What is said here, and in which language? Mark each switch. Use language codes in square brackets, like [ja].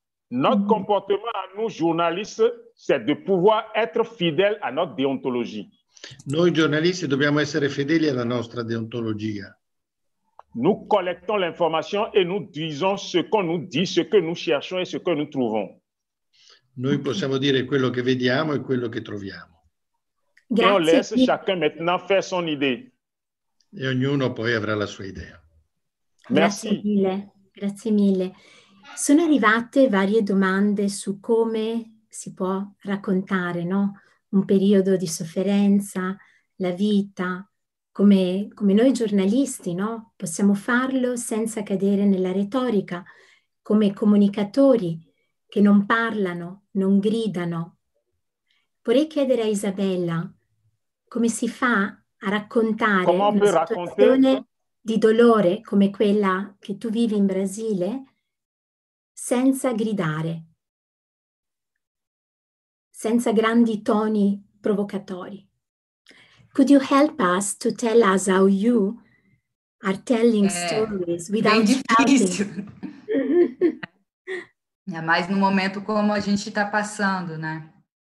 [fr] Notre comportement à nous journalistes, c'est de pouvoir être fidèle à notre déontologie. [it] Noi giornalisti dobbiamo essere fedeli alla nostra deontologia. [fr] Nous collectons l'information et nous disons ce qu'on nous dit, ce que nous cherchons et ce que nous trouvons. [it] Noi possiamo dire quello che vediamo e quello che troviamo. Grazie. [fr] Et on laisse chacun maintenant faire son idée. [it] E ognuno poi avrà la sua idea. [fr] Merci. [it] Grazie mille. Grazie mille. Sono arrivate varie domande su come si può raccontare, no? Un periodo di sofferenza, la vita, come noi giornalisti, no? Possiamo farlo senza cadere nella retorica, come comunicatori che non parlano, non gridano. Vorrei chiedere a Isabella come si fa a raccontare una situazione di dolore come quella che tu vivi in Brasile senza gridare, senza grandi toni provocatori. [en] Could you help us to tell us how you are telling stories without shouting? [pt] É mais no momento como a gente está passando, né?